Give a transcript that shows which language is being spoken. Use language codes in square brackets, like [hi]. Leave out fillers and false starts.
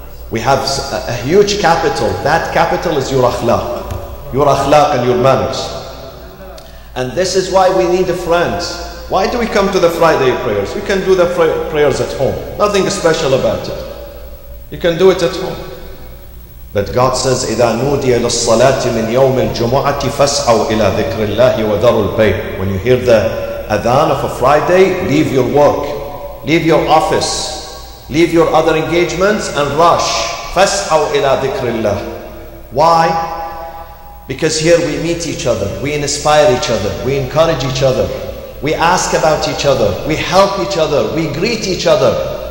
[en] We have a huge capital. That capital is your akhlaq. Your akhlaq and your manners. And this is why we need friends. Why do we come to the Friday prayers? We can do the prayers at home. Nothing special about it. You can do it at home. But God says, [ar] إِذَا نُودِيَ لِلصَّلَاةِ مِنْ يَوْمِ الْجُمُعَةِ فَاسْعَوْا إِلَىٰ ذِكْرِ اللَّهِ وَذَرُوا الْبَيْءِ. [en] When you hear the adhan of a Friday, leave your work, leave your office, leave your other engagements and rush. [ar] فَاسْعَوْا إِلَىٰ ذِكْرِ اللَّهِ. [en] Why? Because here we meet each other, we inspire each other, we encourage each other, we ask about each other, we help each other, we greet each other.